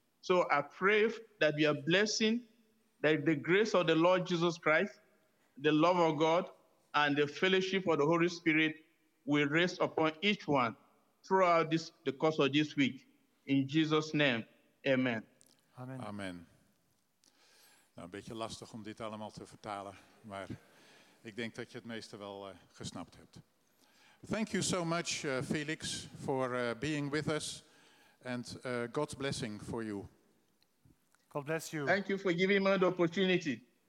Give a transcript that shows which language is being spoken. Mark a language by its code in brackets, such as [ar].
[en] So I pray that your blessing, that the grace of the Lord Jesus Christ, the love of God, and the fellowship of the Holy Spirit will rest upon each one throughout the course of this week. In Jesus' name, amen. Amen. Amen. [nl] Nou, een beetje lastig om dit allemaal te vertalen, maar ik denk dat je het meeste wel gesnapt hebt. [en] Thank you so much, Felix, for being with us, and God's blessing for you. God bless you. Thank you for giving me the opportunity.